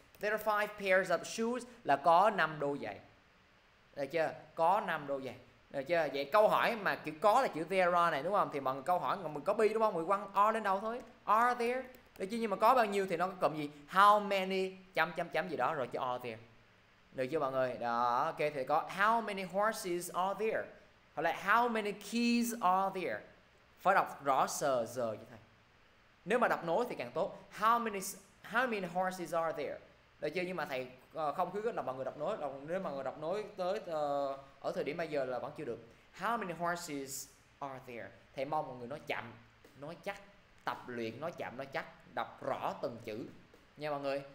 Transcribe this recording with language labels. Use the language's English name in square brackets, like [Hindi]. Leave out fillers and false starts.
[English] There are five pairs of shoes [Vietnamese] là có 5 đôi giày. Được chưa? Có 5 đôi giày. Được chưa? Vậy câu hỏi mà chữ có là chữ there are này đúng không? Thì mọi người câu hỏi mình có be đúng không? Mọi người quăng are lên đầu thôi. Are there? Được chưa? Nhưng mà có bao nhiêu thì nó có cộng gì? How many chấm chấm chấm gì đó rồi cho are there. Được chưa mọi người? Đó, ok, thì có [English] how many horses are there? [Vietnamese] Hoặc là [English] how many keys are there? [Vietnamese] Phải đọc rõ sờ giờ như thế. Nếu mà đọc nối thì càng tốt. [English] How many horses are there? [Vietnamese] Được chưa? Nhưng mà thầy không khuyến khích là mọi người đọc nối. Nếu mà người đọc nối tới ở thời điểm bây giờ là vẫn chưa được. [English] How many horses are there? [Vietnamese] Thầy mong mọi người nói chậm, nói chắc, tập luyện nói chậm nói chắc, đọc rõ từng chữ nha mọi người.